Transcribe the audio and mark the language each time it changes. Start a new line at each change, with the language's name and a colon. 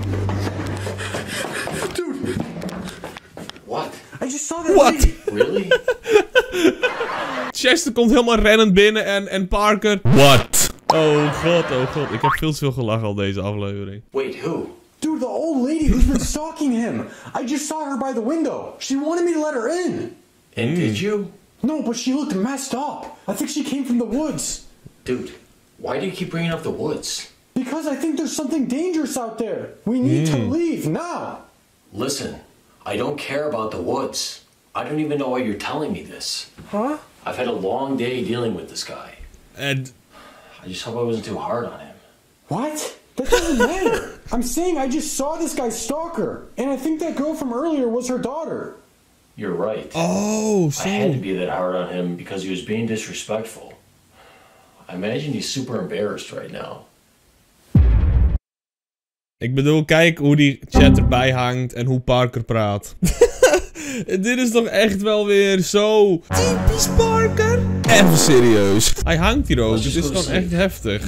English: Parker? Dude! What? I just saw that what? Lady.
Dutch: Really? Chester komt helemaal rennend binnen en Parker... What? Oh god, ik heb veel te veel gelachen al deze aflevering.
English: Wait, who? Dude, the old lady who's been stalking him. I just saw her by the window. She wanted me to let her in. And did you? No, but she looked messed up. I think she came from the woods. Dude, why do you keep bringing up the woods? Because I think there's something dangerous out there. We need to leave now. Listen, I don't care about the woods. I don't even know why you're telling me this. Huh? I've had a long day dealing with this guy. And... I just hope I wasn't too hard on him. What? That doesn't matter. I'm saying I just saw this guy stalk her. And I think that girl from earlier was her daughter. You're right. Oh, so. I had to be that hard on him because he was being disrespectful. I imagine he's super embarrassed right now.
Dutch: Ik bedoel, kijk hoe die chat erbij hangt en hoe Parker praat. Dit is toch echt wel weer zo... Typisch Parker! Even serieus. Hij hangt hier ook, dit is gewoon echt heftig.